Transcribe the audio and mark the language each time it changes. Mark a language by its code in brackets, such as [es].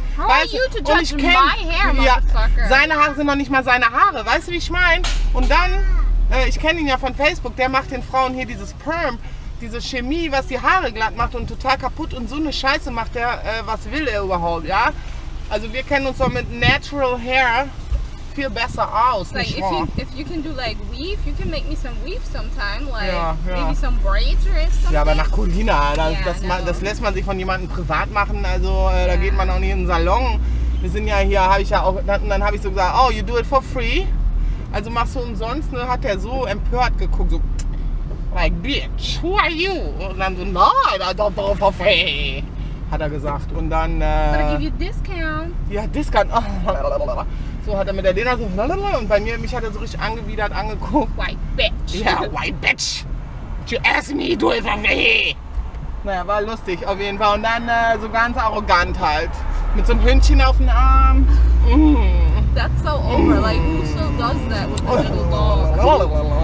[en] How are you to judge my hair, motherfucker? [de] Ja, seine Haare sind noch nicht mal seine Haare, weißt du, wie ich meine? Und dann, ich kenne ihn ja von Facebook, der macht den Frauen hier dieses Perm. Diese Chemie, was die Haare glatt macht und total kaputt und so eine Scheiße macht er, was will er überhaupt, ja? Also wir kennen uns doch mit Natural Hair viel besser aus, [en] like, [de] nicht if wahr? [en] You, if you can do like weave, you can make me some weave sometime, like maybe some braids or something. [de] Ja, aber nach Colina, das lässt man sich von jemandem privat machen, also da geht man auch nicht in den Salon. Wir sind ja hier, habe ich ja auch, dann habe ich so gesagt, [en] oh, you do it for free? [de] Also machst du umsonst, ne? Hat er so empört geguckt, so, [en] like, bitch, who are you? [de] Und dann so, [en] no, I don't go for free, [de] hat er gesagt. Und dann, [en] But I give you discount. [de] Ja, discount. So hat er mit der Lena so, lalala. Und bei mir, mich hat er so richtig angewidert, angeguckt. [en] White bitch. [de] Ja, [en] white bitch. You ask me, do it for free. [de] Naja, war lustig, auf jeden Fall. Und dann so ganz arrogant halt. Mit so einem Hündchen auf dem Arm. [en] That's so over, like, who so does that with a little dog?